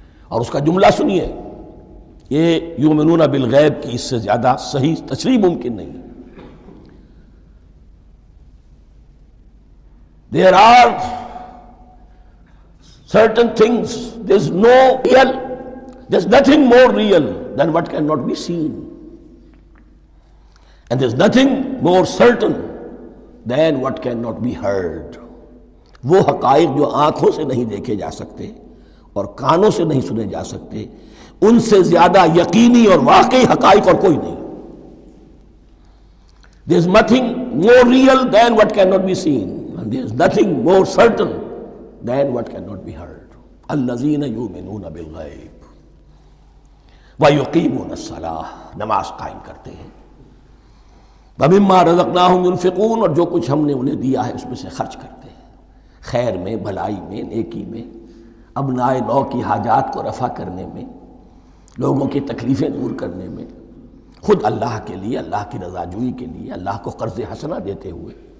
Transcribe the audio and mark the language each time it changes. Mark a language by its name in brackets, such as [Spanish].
[Urdu] اور اس کا جملہ سنیے یہ یومنون بالغیب کی اس سے زیادہ صحیح تشریح ممکن نہیں [English] There are certain things, there's no real, there's nothing more real than what cannot be seen. And there's nothing more certain than what cannot be heard. [Urdu] وہ حقائق جو آنکھوں سے نہیں دیکھے جا سکتے اور کانوں سے نہیں سنے جا سکتے ان سے زیادہ یقینی اور واقعی حقائق اور کوئی نہیں. [English] There's nothing more real than what cannot be seen. There is nothing more certain than what cannot be heard. [Arabic] الَّذِينَ يُؤْمِنُونَ بِالْغَيْبِ وَيُقِيمُونَ الصَّلَاةَ [Urdu] نماز قائم کرتے ہیں، [Arabic] وَمِمَّا رَزَقْنَاهُمْ يُنفِقُونَ [Urdu] اور جو کچھ ہم نے انہیں دیا ہے اس میں سے خرچ کرتے ہیں، خیر میں، بھلائی میں، نیکی میں، ابنائے نو کی حاجات کو رفع کرنے میں، لوگوں کی تکلیفیں دور کرنے میں، خود اللہ کے لیے، اللہ کی رضا جوئی کے لیے، اللہ کو قرض حسنہ دیتے ہوئے.